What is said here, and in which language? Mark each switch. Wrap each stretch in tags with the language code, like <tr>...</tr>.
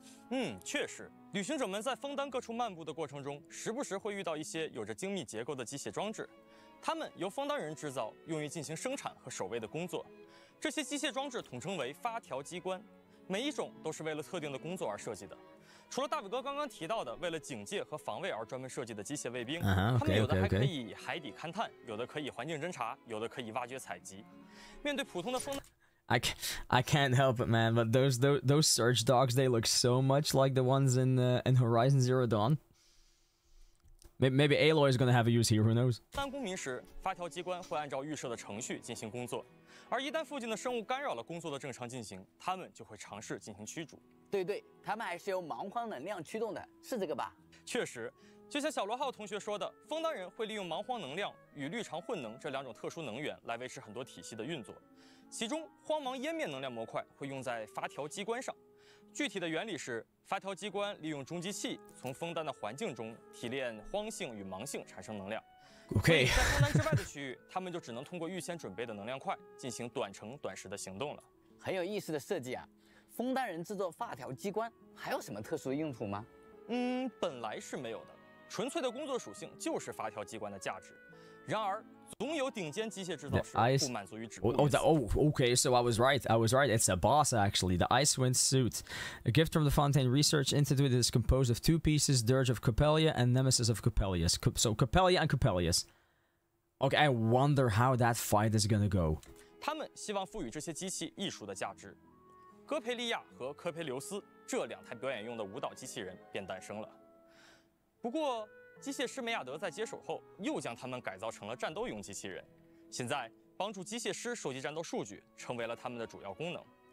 <zh>嗯，确实，旅行者们在枫丹各处漫步的过程中，时不时会遇到一些有着精密结构的机械装置，他们由枫丹人制造，用于进行生产和守卫的工作。这些机械装置统称为发条机关，每一种都是为了特定的工作而设计的。除了大伟哥刚刚提到的为了警戒和防卫而专门设计的机械卫兵，他们有的还可以海底勘探，有的可以环境侦查，有的可以挖掘采集。面对普通的枫丹</zh> <en>I can't help it, man, but those search dogs, they look so much like the ones in Horizon Zero Dawn. Maybe Aloy is gonna have a use here, who knows?</en> <zh>当公民时，发条机关会按照预设的程序进行工作，而一旦附近的生物干扰了工作的正常进行，他们就会尝试进行驱逐。对对，他们还是由蛮荒能量驱动的，是这个吧？确实，就像小罗浩同学说的，枫丹人会利用蛮荒能量与绿常混能这两种特殊能源来维持很多体系的运作。其中，荒芒湮灭能量模块会用在发条机关上。具体的原理是，发条机关利用中继器从枫丹的环境中提炼荒性与芒性产生能量。</zh> <en>Okay.</en> <zh>所以在枫丹之外的区域，他们就只能通过预先准备的能量块进行短程短时的行动了。很有意思的设计啊！枫丹人制作发条机关还有什么特殊的用途吗？本来是没有的，纯粹的工作属性就是发条机关的价值。然而，总有顶尖机械制造师不满足于只顾于此。</zh> <en>Okay, so I was right. It's a boss, actually. The Icewind Suit, a gift from the Fontaine Research Institute, is composed of two pieces: Dirge of Coppelia and Nemesis of Coppelia. So Coppelia and Coppelia. Okay, I wonder how that fight is gonna go.</en> <zh>他们希望赋予这些机器艺术的价值。戈培利亚和科培留斯这两台表演用的舞蹈机器人便诞生了。不过，机械师梅亚德在接手后又将他们改造成了战斗用机器人，现在帮助机械师收集战斗数据成为了他们的主要功能。</zh>